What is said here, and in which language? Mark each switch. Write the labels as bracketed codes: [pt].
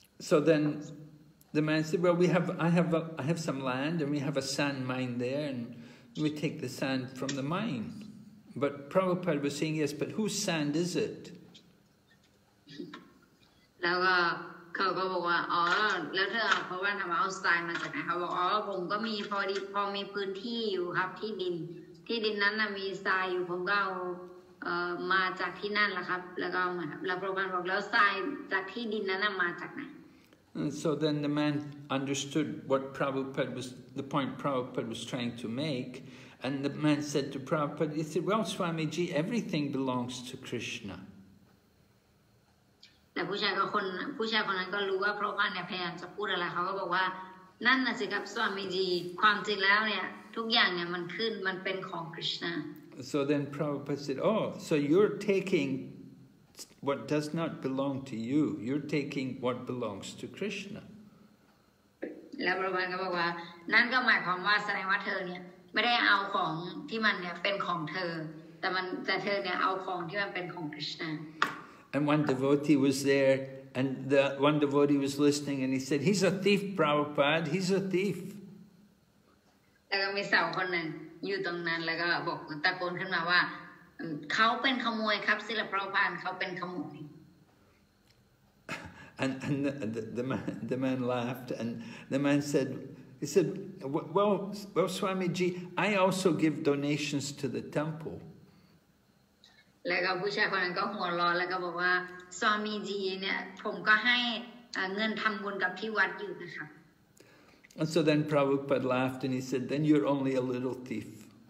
[en] So then the man said, "Well, I have some land, and we have a sand mine there, and we take the sand from the mine." But Prabhupada was saying, "Yes, but whose sand is it?" [th] แล้วก็เขาก็บอกว่าอ๋อแล้วเธอเพราะว่าทำมาเอาทรายมาจากไหนเขาบอกอ๋อผมก็มีพอมีพื้นที่อยู่ครับที่ดินนั้นน่ะมีทรายอยู่ผมก็เอามาจากที่นั่นแหละครับแล้วก็เหมือนแล้วพระบาลบอกแล้วทรายจากที่ดินนั้นน่ะมาจากไหน [en] So then the man understood what Prabhupada was the point Prabhupada was trying to make, and the man said to Prabhupada, "He said, 'Well, Swamiji, everything belongs to Krishna.'" [th] แต่ผู้ชายคนนั้นก็รู้ว่าพระพันธ์เนี่ยพยายามจะพูดอะไรเขาก็บอกว่านั่นน่ะสิครับสวามีจีความจริงแล้วเนี่ยทุกอย่างเนี่ยมันขึ้นมันเป็นของคริชนา [en] So then Prabhupada said, "Oh, so you're taking what does not belong to you. You're taking what belongs to Krishna." [th] แล้วพระพันธ์ก็บอกว่านั่นก็หมายความว่าแสดงว่าเธอเนี่ยไม่ได้เอาของที่มันเนี่ยเป็นของเธอแต่เธอเนี่ยเอาของที่มันเป็นของคริชนา [en] And one devotee was there, and the one devotee was listening, and he said, "He's a thief, Prabhupada. He's a thief." [th] แล้วก็มีสาวคนหนึ่งอยู่ตรงนั้นแล้วก็บอกตะโกนขึ้นมาว่าเขาเป็นขโมยครับศิลปราภรณ์เขาเป็นขโมย [en] and the man laughed and the man said he said well Swamiji I also give donations to the temple [th] แล้วก็ผู้ชายคนนั้นก็หัวเราะแล้วก็บอกว่าสวามีจีเนี่ยผมก็ให้เงินทำบุญกับที่วัดอยู่นะคะ [en] And so then Prabhupada laughed and he said, then you're only a little thief.